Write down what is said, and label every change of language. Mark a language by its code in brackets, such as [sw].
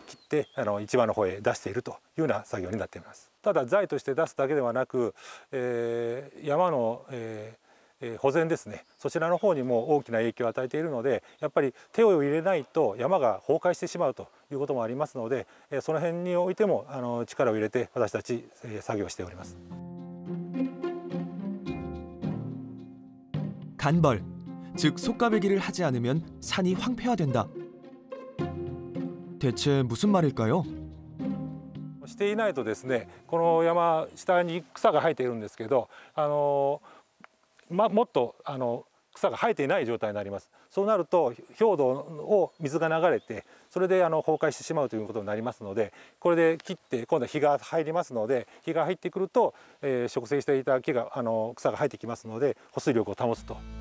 [ja] 切って一番の方へ出しているというような作業になっています。ただ材として出すだけではなく、山の 保全ですね。そちらの方にも大きな影響を与えているので、やっぱり手を入れないと山が崩壊してしまうということもありますので、その辺においても力を入れて私たち作業しております。 [ko] 간벌, 즉 속가베기를 하지 않으면 산이 황폐화된다. 대체 무슨 말일까요? [ja] していないとですね、この山下に草が生えているんですけど、 もっと草が生えていない状態になります。そうなると、表土を水が流れて、それで崩壊してしまうということになりますので、これで切って、今度は日が入りますので、日が入ってくると、植生していた木が草が生えてきますので、保水力を保つと。